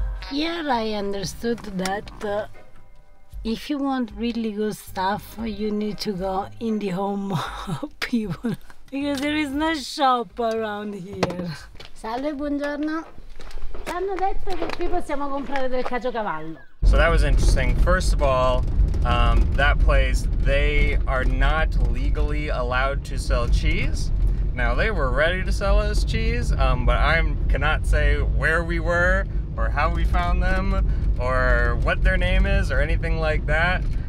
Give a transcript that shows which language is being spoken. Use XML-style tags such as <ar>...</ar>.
<en>Here I understood that if you want really good stuff, you need to go in the home of people. Because there is no shop around here.</en> <it>Salve, buongiorno. Hanno detto che qui possiamo comprare del caciocavallo.</it> <en>So that was interesting. First of all, that place, they are not legally allowed to sell cheese. Now they were ready to sell us cheese, but I cannot say where we were or how we found them or what their name is or anything like that.</en>